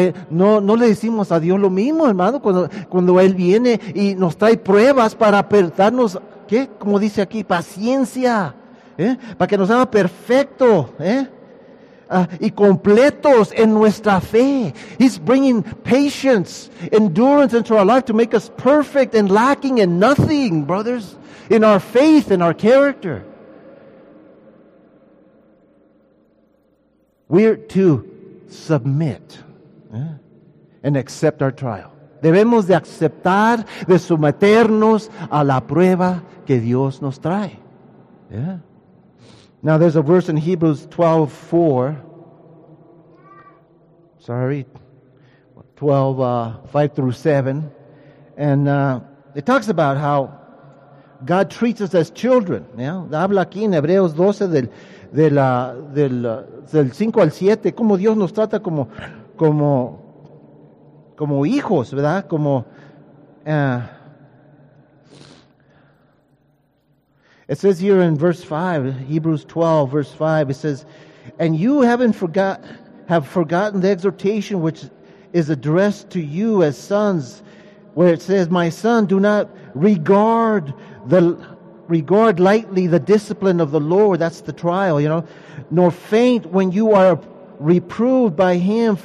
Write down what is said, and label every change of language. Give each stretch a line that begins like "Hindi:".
Spanish: No le decimos a Dios lo mismo, hermano, cuando Él viene y nos trae pruebas para darnos, ¿qué? Como dice aquí, paciencia, para que nos haga perfecto, y completos en nuestra fe.
English: He's bringing patience, endurance into our life to make us perfect and lacking in nothing, brothers, in our faith, in our character. We're to submit and accept our trial.
Spanish: Debemos de aceptar, de someternos a la prueba que Dios nos trae.
English: Now there's a verse in Hebrews 12:4. Sorry, 12:5-7, and it talks about how God treats us as children.
Spanish: Habla aquí en Hebreos 12 del 5 al 7, como Dios nos trata como hijos, ¿verdad?
English: It says here in verse 5, Hebrews 12, verse 5, it says, and you have forgotten the exhortation which is addressed to you as sons, where it says, my son, do not regard lightly the discipline of the Lord, that's the trial, you know, nor faint when you are reproved by him.